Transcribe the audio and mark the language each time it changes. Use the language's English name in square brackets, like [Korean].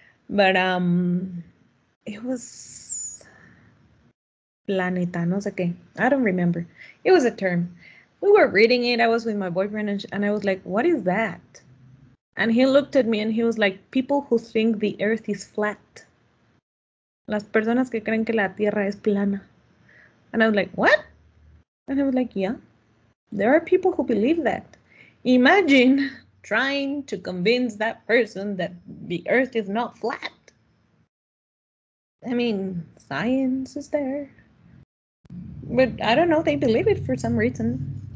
[English] But it was planeta, [Spanish] no sé qué. [English] I don't remember. It was a term. We were reading it. I was with my boyfriend and I was like, what is that? And he looked at me and he was like, people who think the earth is flat. [Spanish] Las personas que creen que la tierra es plana. [English] And I was like, what? And I was like, yeah, there are people who believe that. Imagine trying to convince that person that the earth is not flat. I mean, science is there. But I don't know, they believe it for some reason.